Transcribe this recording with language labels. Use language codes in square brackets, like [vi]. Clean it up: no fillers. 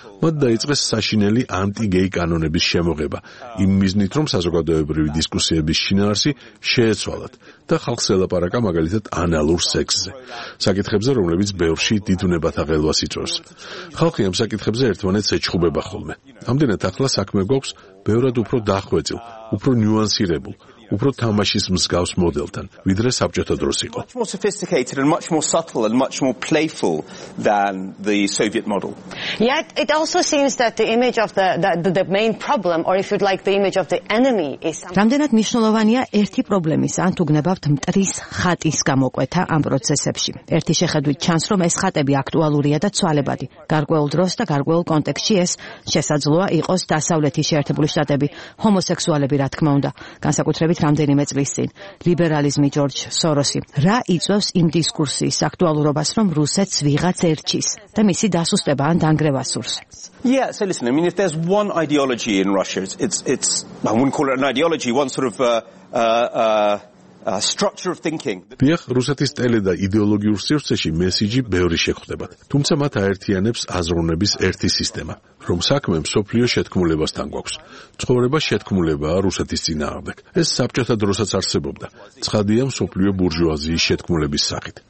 [ka] მათ დაიწყეს საშინელი ანტი-გეი კანონების შემოღება, იმ მიზნით, რომ საზოგადოებრივი დისკუსიების შინაარსი შეეცვალათ და ხალხს ელაპარაკა მაგალითად ანალურ სექსზე, საკითხებზე, რომლებიც ბევრში დიდ უნებათ აღელვას იწვევს. ხალხი ამ საკითხებზე ერთმანეთს ეჩხუბება ხოლმე. ამდენად ახლა საქმე გვაქვს ბევრად უფრო დახვეწილ, უფრო ნიუანსირებულ, უფრო თამაშის მსგავს მოდელთან, ვიდრე საბჭოთა დროს იყო. [en] Much more sophisticated and much more subtle and much more playful than the Soviet model. Yet it also seems that the image of the main problem, or if you'd like, the image of the enemy is something. [ka] რამდენად მნიშვნელოვანია ერთი პრობლემის, ან თუ გნებავთ მტრის ხატის გამოკვეთა ამ პროცესებში. ერთი შეხედვით ჩანს, რომ ეს ხატები აქტუალურია და ცვალებადი. გარკვეულ დროს და გარკვეულ კონტექსტში ეს შესაძლოა იყოს დასავლეთის შეერთებული შტატები, ჰომოსექსუალები, რა თქმა უნდა. განსაკუთრებით რამდენიმე წლის წინ ლიბერალიზმი, ჯორჯ სოროსი, რა იწვევს იმ დისკურსის აქტუალურობას, რომ რუსეთს ვიღაც ერჩის და მისი დასუსტება ან დაანგრევა სურს? [en] Yeah, so listen, I mean, if there's one ideology in Russia, it's I wouldn't call it an ideology, one sort of structure of thinking. [ka] Ბიახ, რუსეთის ტელე და იდეოლოგიურ სივრცეში მესიჯი ბევრი შეხვდებათ, თუმცა მათ აერთიანებს აზროვნების ერთი სისტემა, რომ საქმე მსოფლიო შეთქმულებასთან გვაქვს. ცხოვრება შეთქმულებაა რუსეთის წინააღმდეგ. ეს საბჭოთა დროსაც არსებობდა, ცხადია, მსოფლიო ბურჟუაზიის შეთქმულების სახით.